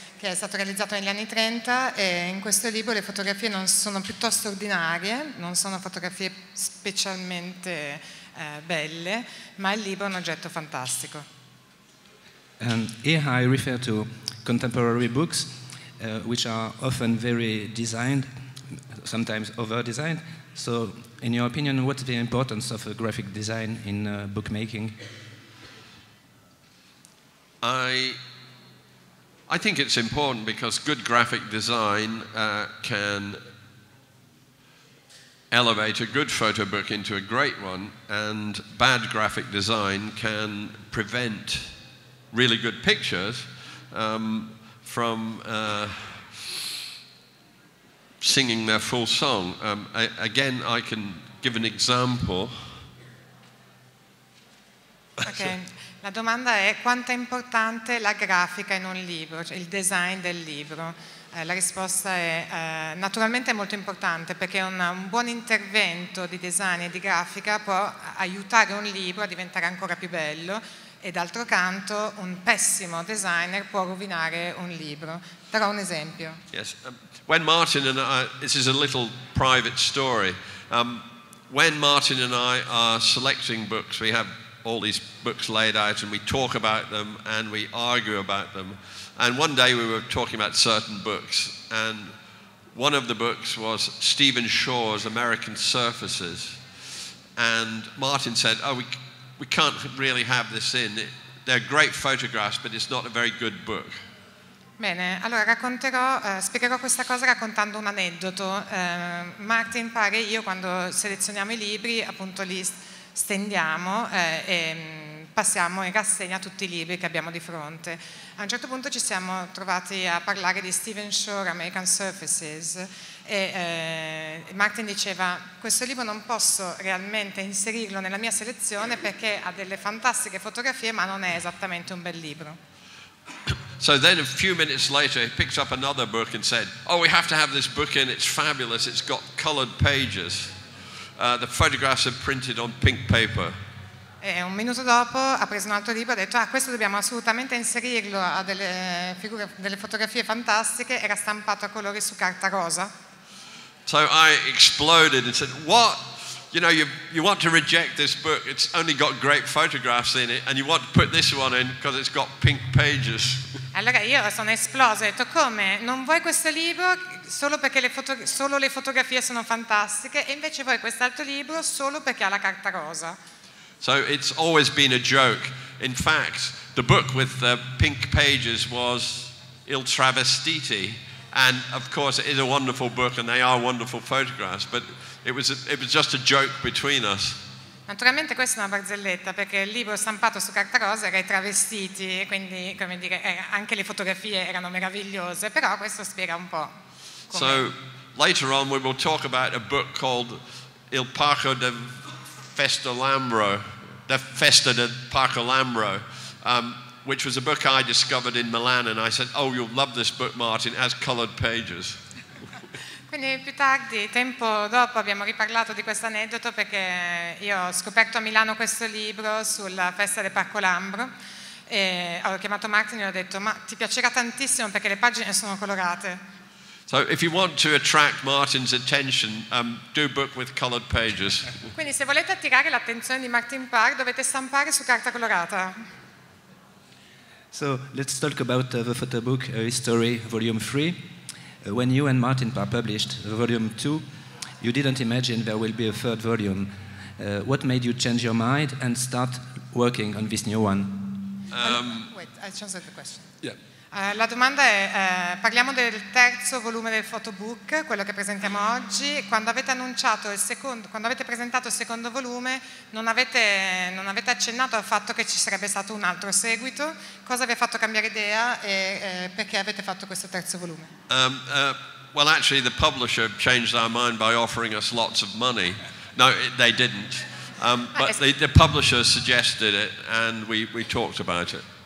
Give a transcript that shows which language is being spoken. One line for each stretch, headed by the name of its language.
Italian: che è stato realizzato negli anni 30, e in questo libro le fotografie non sono piuttosto ordinarie, non sono fotografie specialmente belle, ma il libro è un oggetto fantastico.
English: And here I refer to contemporary books, which are often very designed. Sometimes over-designed. So, in your opinion, what's the importance of a graphic design in bookmaking? I think it's important because good graphic design can elevate a good photo book into a great one, and bad graphic design can prevent really good pictures from singing their full song. Again, I can give an example.
Italian: Ok, la domanda è quanto è importante la grafica in un libro, cioè il design del libro. La risposta è naturalmente è molto importante, perché un buon intervento di design e di grafica può aiutare un libro a diventare ancora più bello, e d'altro canto un pessimo designer può rovinare un libro. Darò un esempio.
English: Yes. When Martin and I, this is a little private story, when Martin and I are selecting books, we have all these books laid out and we talk about them and we argue about them. And one day we were talking about certain books, and one of the books was Stephen Shore's American Surfaces. And Martin said, oh, we can't really have this in. They're great photographs, but it's not a very good book.
Italian: Bene, allora racconterò, spiegherò questa cosa raccontando un aneddoto. Martin Parr e io, quando selezioniamo i libri, appunto li stendiamo e passiamo in rassegna tutti i libri che abbiamo di fronte. A un certo punto ci siamo trovati a parlare di Stephen Shore, American Surfaces, e Martin diceva: questo libro non posso realmente inserirlo nella mia selezione perché ha delle fantastiche fotografie, ma non è esattamente un bel libro.
English: So then a few minutes later he picked up another book and said, oh, we have to have this book in, it's fabulous, it's got colored pages. The photographs are printed on pink paper.
Italian: E un minuto dopo ha preso un altro libro e ha detto, ah, questo dobbiamo assolutamente inserirlo, ha delle figure, delle fotografie fantastiche, era stampato a colori su carta rosa.
English: So I exploded and said, what? You know, you want to reject this book, it's only got great photographs in it, and you want to put this one in because it's got pink pages.
Italian: Allora io sono esplosa, ho detto, come? Non vuoi questo libro solo perché solo le fotografie sono fantastiche, e invece vuoi quest'altro libro solo perché ha la carta rosa.
English: So it's always been a joke. In fact, the book with the pink pages was Il Travestiti, and of course it is a wonderful book and they are wonderful photographs, but it was just a joke between us.
Italian: Naturalmente questa è una barzelletta, perché il libro stampato su carta rosa era I Travestiti, quindi, come dire, anche le fotografie erano meravigliose, però questo spiega un po' come.
English: So later on we will talk about a book called Il Parco de Festo Lambro, the Festa del Parco Lambro, which was a book I discovered in Milan, and I said, oh, you'll love this book, Martin, it has colored pages.
Italian: Quindi più tardi, tempo dopo, abbiamo riparlato di questo aneddoto, perché io ho scoperto a Milano questo libro sulla festa del Parco Lambro, e ho chiamato Martin e gli ho detto, ma ti piacerà tantissimo perché le pagine sono colorate.
English: So if you want to attract Martin's attention, do book with colored pages.
Italian: Quindi se volete attirare l'attenzione di Martin Parr, dovete stampare su carta colorata.
English: So let's talk about the photo book history volume 3. When you and Martin Parr published volume 2, you didn't imagine there will be a third volume. What made you change your mind and start working on this new one? Wait, I translate the question. Yeah.
Italian: La domanda è, parliamo del terzo volume del photobook, quello che presentiamo oggi. Quando avete annunciato il secondo, quando avete presentato il secondo volume, non avete accennato al fatto che ci sarebbe stato un altro seguito. Cosa vi ha fatto cambiare idea e perché avete fatto questo terzo volume?
English: Well, actually, the publisher changed our mind by offering us lots of money. No, they didn't. But the publisher suggested it and we talked about it.